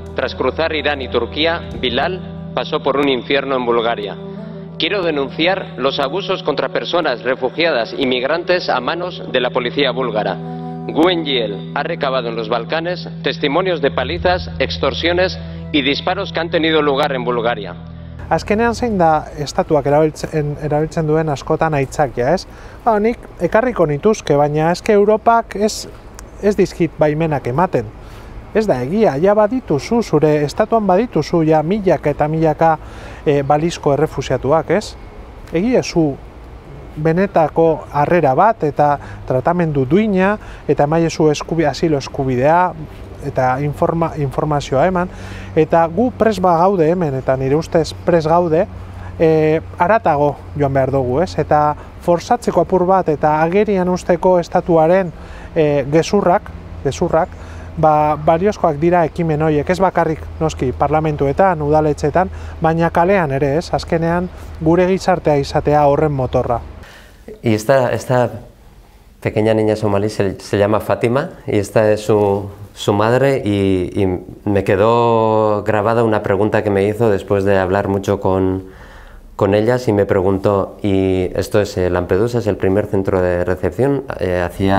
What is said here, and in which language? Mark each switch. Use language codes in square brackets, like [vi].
[es] Tras cruzar Irán y Turquía, Bilal pasó por un infierno en Bulgaria. Quiero denunciar los abusos contra personas refugiadas y migrantes a manos de la policía búlgara. Gwen Yiel ha recabado en los Balcanes testimonios de palizas, extorsiones y disparos que han tenido lugar en Bulgaria. [eu] Azkenean zein da estatuak erabiltzen duen askotan aitzakia, ez? Ba, nik ekarriko nituzke, baina eske Europak ez dizkit baimenak ematen. Ez da egia, ja badituzu, zure estatuan badituzu, ja milaka eta milaka balizko errefusiatuak, ez? Egia zu benetako harrera bat eta tratamendu duina eta emaiezu asilo eskubidea eta informazioa eman, eta gu pres ba gaude hemen, eta nire ustez pres gaude, haratago joan behar dugu, ez? Eta forzatzeko apur bat eta agerian usteko estatuaren gezurrak, ba, baliozkoak dira ekimen horiek, ez bakarrik noski parlamentuetan, udaletxeetan, baina kalean ere, ez? Azkenean gure gizartea izatea horren motorra. [es] Y esta pequeña niña somalí se llama Fátima y esta es su madre y me quedó grabada una pregunta que me hizo después de hablar mucho con ellas y me preguntó, y esto es Lampedusa, es el primer centro de recepción, hacía...